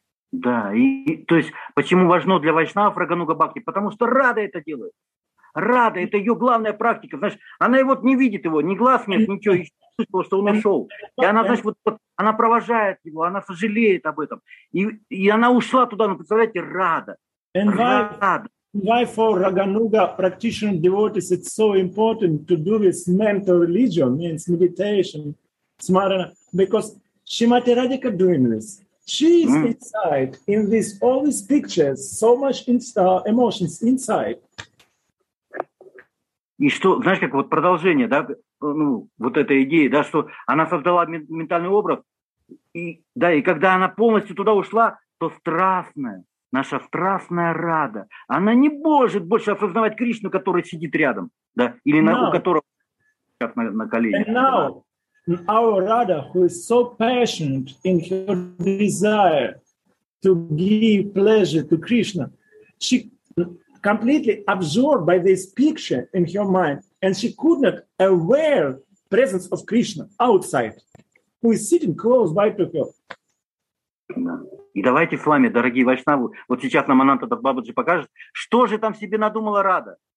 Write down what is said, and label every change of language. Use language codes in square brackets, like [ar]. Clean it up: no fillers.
[ru] Да, и то есть почему важно для вайшнава Рагануга Бхакти? Потому что Рада это делает. Рада это ее главная практика. Знаешь, она и вот не видит его, ни глаз нет, ничего, и чувствует, что он ушел. И она, знаешь, вот она провожает его, она сожалеет об этом. И она ушла туда, ну представляете, Рада. Рада. [en] Why for Rāgānuga practitioner devotees it's so important to do this mental religion, means meditation, smarana, because Srimati Radhika doing this. She is inside in this all these pictures, so much emotions inside. [ru] И что, знаешь, как вот продолжение, да, ну, вот этой идеи, да, что она создала ментальный образ, и, да, и когда она полностью туда ушла, то страстная. Наша страстная Рада, она не может больше осознавать Кришну, который сидит рядом, да, или на, у которого как на колени. [en] And now our Rada, who is so passionate in her desire to give pleasure to Krishna, she completely absorbed by this picture in her mind, and she could not aware presence of Krishna outside, who is sitting close by to her. [ru] И давайте с вами, дорогие вайшнавы, вот сейчас нам Ананта Бабаджи покажет, что же там себе надумала Рада.